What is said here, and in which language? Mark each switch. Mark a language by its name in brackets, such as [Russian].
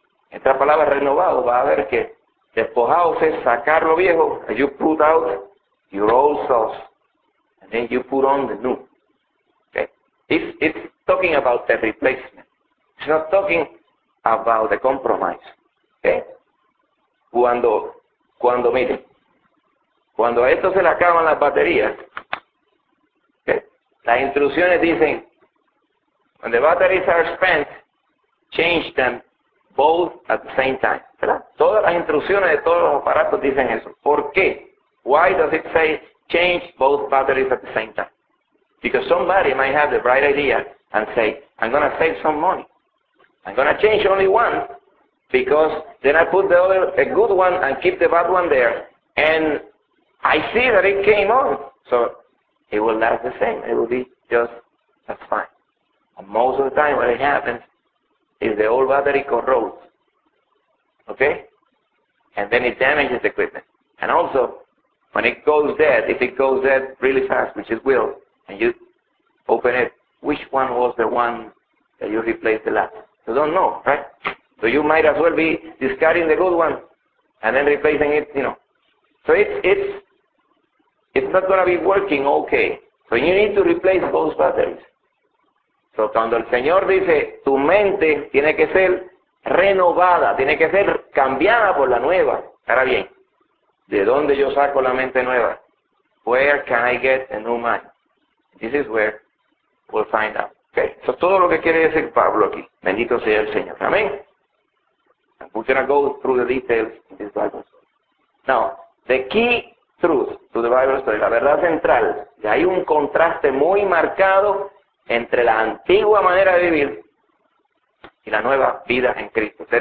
[Spanish] Esta palabra renovado va a ver que despojados es sacar lo viejo. [English] You put out your old self, and then you put on the new. ¿Okay? It's talking about the replacement. It's not talking about the compromise. ¿Okay? [Spanish] Cuando miren, cuando a esto se le acaban las baterías, ¿okay? Las instrucciones dicen, [English] when the batteries are spent, change them both at the same time. [Spanish] ¿Verdad? Todas las instrucciones de todos los aparatos dicen eso. ¿Por qué? [English] Why does it say change both batteries at the same time? Because somebody might have the bright idea and say, I'm going to save some money. I'm going to change only one because then I put the other, a good one, and keep the bad one there. And I see that it came on. So it will last the same. It will be just as fine. And most of the time what happens is the old battery corrodes. Okay? And then it damages the equipment. And also, when it goes dead, if it goes dead really fast, which it will, and you open it, which one was the one that you replaced the last? You don't know, right? So you might as well be discarding the good one and then replacing it, you know. So it's not going to be working okay. So you need to replace both batteries. [Spanish] So cuando el Señor dice, tu mente tiene que ser renovada, tiene que ser cambiada por la nueva. Ahora bien, ¿de dónde yo saco la mente nueva? [English] Where can I get a new mind? This is where we'll find out. [Spanish] Okay, eso es todo lo que quiere decir Pablo aquí. Bendito sea el Señor. Amén. [English] We're going to go through the details in this Bible story. Now, the key truth to the Bible story, [Spanish] la verdad central, que hay un contraste muy marcado entre la antigua manera de vivir y la nueva vida en Cristo.